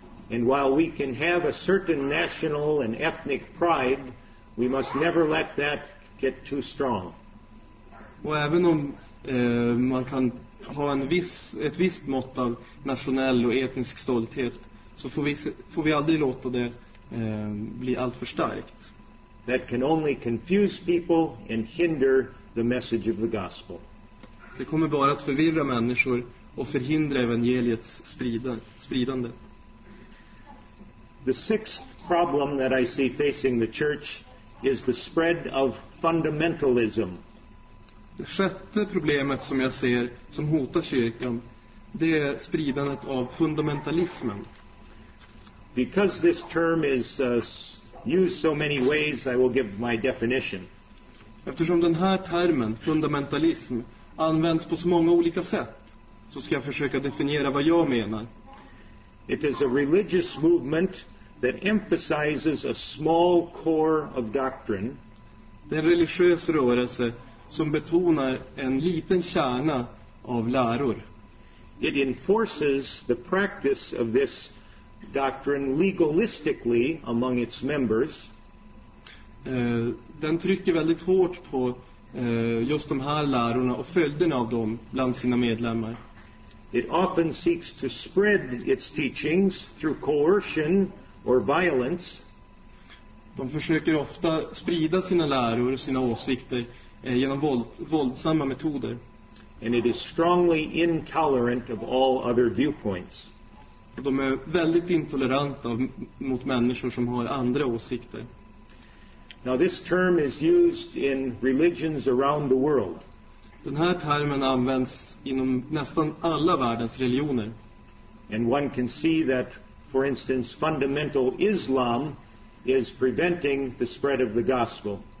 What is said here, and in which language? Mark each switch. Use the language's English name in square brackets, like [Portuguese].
[English] And while we can have a certain national and ethnic pride, we must never let that get too strong. [Swedish] Och även om man kan ha ett visst mått av nationell och etnisk stolthet, så får vi aldrig låta det bli allt för starkt. [English] That can only confuse people and hinder the message of the gospel. [Swedish] Det kommer bara att förvirra människor och förhindra evangeliets spridande. [English] The sixth problem that I see facing the church is the spread of fundamentalism. [Swedish] Det sjätte problemet som jag ser som hotar kyrkan, det är spridandet av fundamentalismen. [English] Because this term is used so many ways, I will give my definition. [Swedish] Eftersom den här termen, fundamentalism, används på så många olika sätt, så ska jag försöka definiera vad jag menar. [English] It is a religious movement that emphasizes a small core of doctrine. [Swedish] Det är en religiös rörelse som betonar en liten kärna av läror. [English] It enforces the practice of this doctrine legalistically among its members. [Swedish] Den trycker väldigt hårt på just de här lärorna och följderna av dem bland sina medlemmar. [English] It often seeks to spread its teachings through coercion or violence. [Swedish] De försöker ofta sprida sina läror och sina åsikter genom våldsamma metoder. [English] And it is strongly intolerant of all other viewpoints. [Swedish] De är väldigt intoleranta mot människor som har andra åsikter. [English] Now this term is used in religions around the world. [Swedish] Den här termen används inom nästan alla världens religioner. [English] And one can see that, for instance, fundamental Islam is preventing the spread of the gospel.